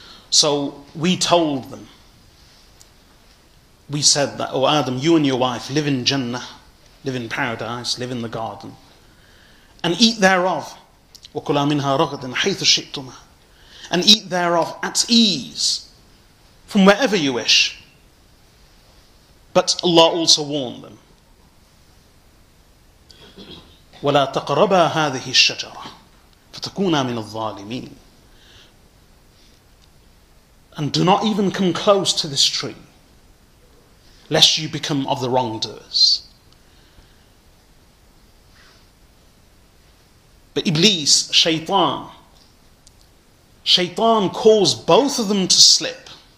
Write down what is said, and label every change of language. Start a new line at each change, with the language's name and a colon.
English: So we told them, we said that, O Adam, you and your wife live in Jannah, live in paradise, live in the garden, and eat thereof,
Arabic: وَكُلَا مِنْهَا رَغَدٍ حَيْثُ شِئْتُمَا,
English: and eat thereof at ease, from wherever you wish. But Allah also warned them,
Arabic: ولا تقربا هذه الشجرة فتكونا من الظالمين.
English: And do not even come close to this tree, lest you become of the wrongdoers. But Iblis, Shaitan caused both of them to slip.